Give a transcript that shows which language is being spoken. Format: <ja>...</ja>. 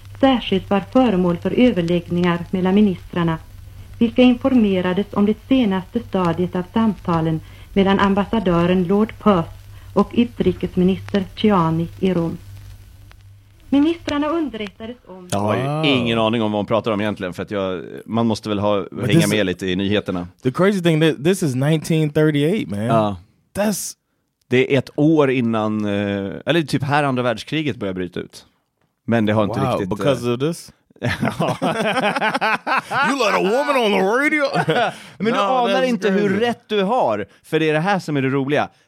<sv>särskilt var föremål för överläggningar mellan ministrarna, vilka informerades om det senaste stadiet av samtalen mellan ambassadören Lord Perth och utrikesminister Tiani i Rom. Ministrarna underrättades om... Jag har ju ingen aning om vad hon pratar om egentligen, för att man måste väl hänga med lite i nyheterna.</sv> <en>The crazy thing, this is 1938, man. That's...</en> <sv>Det är ett år innan, eller typ här andra världskriget börjar bryta ut. Men det har inte riktigt...</sv> <en>Wow, because of this? You let a woman on the radio?</en> <sv>Men du anar inte hur rätt du har, för det är det här som är det roliga.</sv>